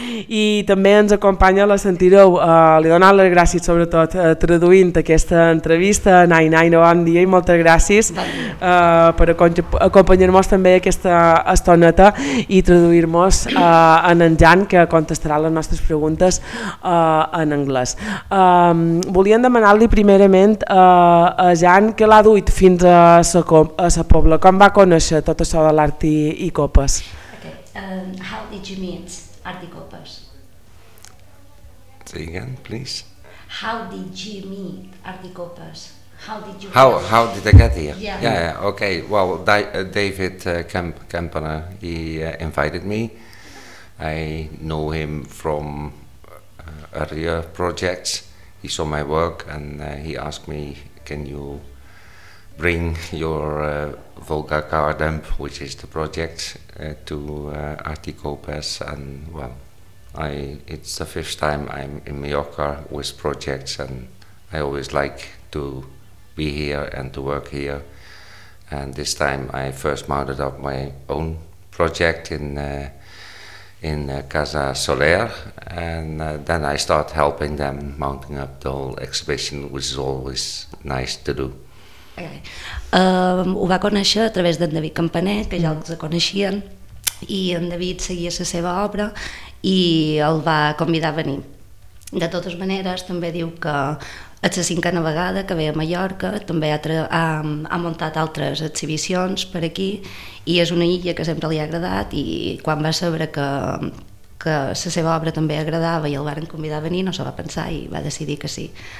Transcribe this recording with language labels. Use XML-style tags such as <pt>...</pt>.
<ca>I també ens acompanya, la sentireu, li he donat les gràcies sobretot traduint aquesta entrevista, Naina, bon dia i moltes gràcies per acompanyar-nos també aquesta estoneta i traduir-nos en en Jan, que contestarà les nostres preguntes en anglès. Volíem demanar-li primerament a Jan què l'ha duit fins a sa poble, com va conèixer tot això de l'art i copes?</ca> <en>How did you meet Art i Copes? Say again, please. How did you meet Art i Copes? How did you? How did I get here? Yeah. Okay. Well, David Kempener, he invited me. I know him from earlier projects. He saw my work and he asked me, "Can you bring your Volga Garden, which is the project, to Art i Copes?" And well, it's the fifth time I'm in Mallorca with projects, and I always like to be here and to work here. And this time I first mounted up my own project in Casa Soler, and then I start helping them mounting up the whole exhibition, which is always nice to do.</en> <ca>Ho va conèixer a través d'en David Campanet, que ja els coneixien, i en David seguia la seva obra i el va convidar a venir. De totes maneres, també diu que és la cinquena vegada que ve a Mallorca, també ha muntat altres exhibicions per aquí, i és una illa que sempre li ha agradat, i quan va saber que la seva obra també agradava i el van convidar a venir, no se va pensar i va decidir que sí.</ca>